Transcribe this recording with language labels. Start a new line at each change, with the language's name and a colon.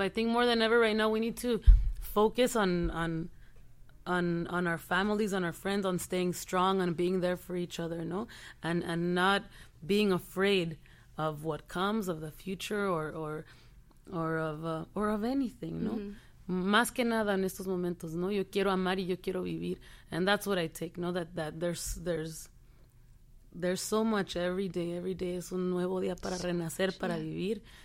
English: I think more than ever right now we need to focus on our families, on our friends, on staying strong, on being there for each other, no? And not being afraid of what comes, of the future, or of anything, no? Mm-hmm.
Spanish: Más que nada en estos momentos, no? Yo quiero amar y yo quiero vivir.
English: And that's what I take, no? That there's so much every day. Every day
Spanish: es un nuevo día para renacer, para vivir.